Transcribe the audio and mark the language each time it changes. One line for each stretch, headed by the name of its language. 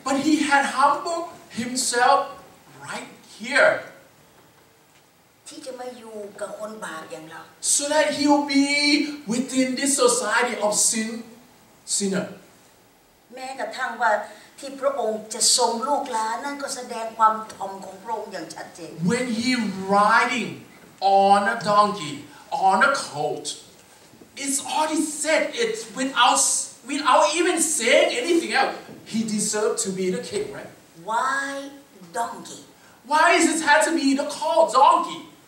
English: But he had humbled himself right here
Thai: ที่จะมาอยู่กับคนบาปอย่างเรา
English: So that he will be within this society of sinner
Thai: แม้กระทั่งว่าที่พระองค์จะทรงลูกหลานนั่นก็แสดงความถ่อมของพระองค์อย่างชัดเจน
English: When he riding on a donkey on a colt it's already said it without even saying anything else, he deserved to be the king, right? Why donkey? Why is it had to be the colt, donkey?